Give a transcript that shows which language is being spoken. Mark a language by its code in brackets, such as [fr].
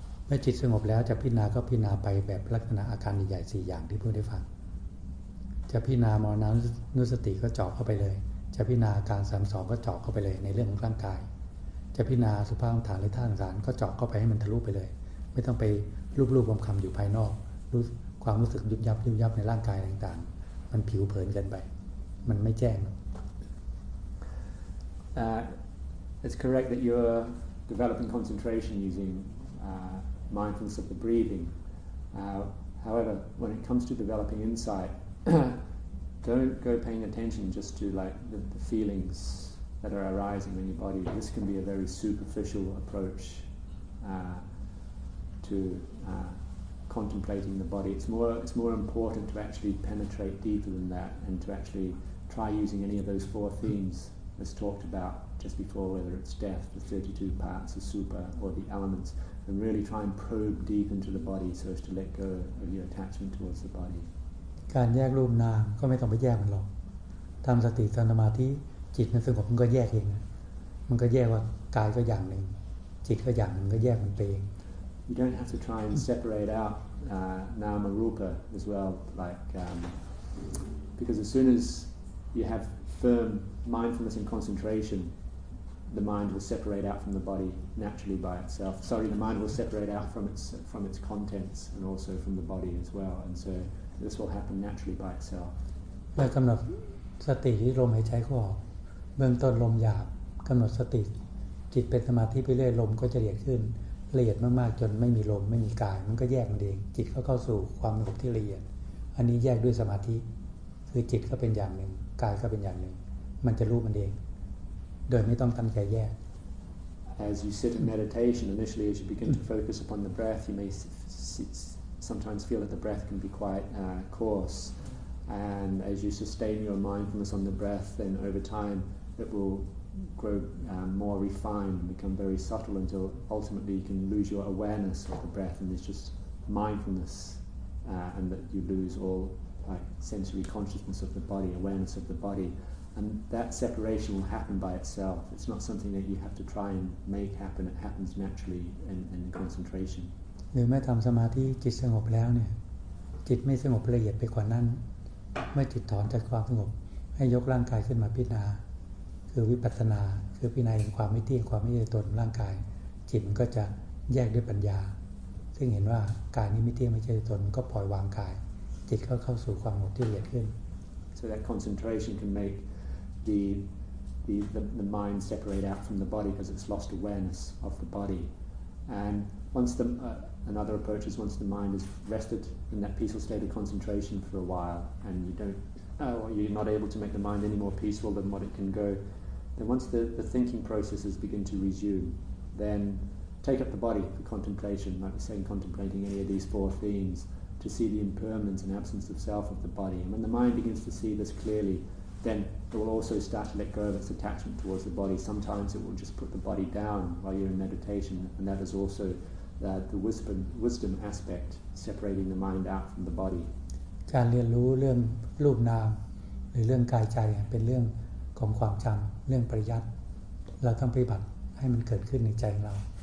[th] อจิตสงบแล้วจะพิจารณาก็พิจารณาไปแบบลักษณะอาการใหญ่ๆ4อย่างที่พูดให้ฟังจะพิจารณามรณานุสติก็เจาะเข้าไปเลยจะพิจารณาการ32ก็เจาะเข้าไปเลยในเรื่องของร่างกายจะพิจารณาสุภาพฐานหรือธาตุฐานก็เจาะเข้าไปให้มันทะลุไปเลยไม่ต้องไปรูปๆคำๆอยู่ภายนอกรู้ความรู้สึกยุบยับยุบยับในร่างกายต่างๆมันผิวเผินกันไปมันไม่แจ้ง [en] It's correct that you're developing concentration using mindfulness of the breathing. However, when it comes to developing insight, don't go paying attention just to like the feelings that are arising in your body. This can be a very superficial approach to contemplating the body. It's more important to actually penetrate deeper than that and to actually try using any of those four themes as talked about just before, whether it's death, the 32 parts, the supa, or the elements, and really try and probe deep into the body so as to let go of your attachment towards the body. [th] การแยกรูปนามก็ไม่ต้องไปแยกมันหรอกทำสติสมาธิจิตมันสงบมันก็แยกเองมันก็แยกว่ากายก็อย่างหนึ่งจิตก็อย่างหนึ่งก็แยกมันเอง [en] You don't have to try and separate out nama rupa as well, like because as soon as you have firm mindfulness and concentration. The mind will separate out from the body naturally by itself. Sorry, the mind will separate out from its contents and also from the body as well. And so this will happen naturally by itself. [th] แล้วกำหนดสติที่ลมหายใจเข้าออกเบื้องต้นลมหยาบกำหนดสติจิตเป็นสมาธิไปเรื่อยลมก็จะละเอียดขึ้นละเอียดมากๆจนไม่มีลมไม่มีกายมันก็แยกมันเองจิตก็เข้าสู่ความสงบที่ละเอียดอันนี้แยกด้วยสมาธิคือจิตก็เป็นอย่างหนึ่งกายก็เป็นอย่างหนึ่งมันจะรู้มันเองโดยไม่ต้องตั้งใจแยก [en] As you sit in meditation initially as you begin to focus upon the breath you may sometimes feel that the breath can be quite coarse and as you sustain your mindfulness on the breath then over time it will grow more refined and become very subtle until ultimately you can lose your awareness of the breath and it's just mindfulness and that you lose all sensory consciousness of the body awareness of the bodyAnd that separation will happen by itself. It's not something that you have to try and make happen. It happens naturally in concentration. [th] หรือแม้ทำสมาธิจิตสงบแล้วเนี่ยจิตไม่สงบละเอียดไปกว่านั้นเมื่อจิตถอนจากความสงบให้ยกร่างกายขึ้นมาพิจารณาคือวิปัสสนาคือพิจารณาเห็นความไม่เที่ยงความไม่ใช่ตนร่างกายจิตมันก็จะแยกด้วยปัญญาซึ่งเห็นว่ากายนี้ไม่เที่ยงไม่ใช่ตนก็ปล่อยวางกายจิตก็เข้าสู่ความสงบที่ละเอียดขึ้น [en] So that concentration can makethe mind separate out from the body because it's lost awareness of the body and once the another approach is once the mind is rested in that peaceful state of concentration for a while and you don't or you're not able to make the mind any more peaceful than what it can go then once the thinking processes begin to resume then take up the body for contemplation like we're saying contemplating any of these four themes to see the impermanence and absence of self of the body and when the mind begins to see this clearlyThen it will also start to let go of its attachment towards the body. Sometimes it will just put the body down while you're in meditation, and that is also the wisdom aspect, separating the mind out from the body. [th] การเรียนรู้เรื่องรูปนามหรือเรื่องกายใจเป็นเรื่องของความจำเรื่องปริยัติเราต้องปฏิบัติให้มันเกิดขึ้นในใจของเรา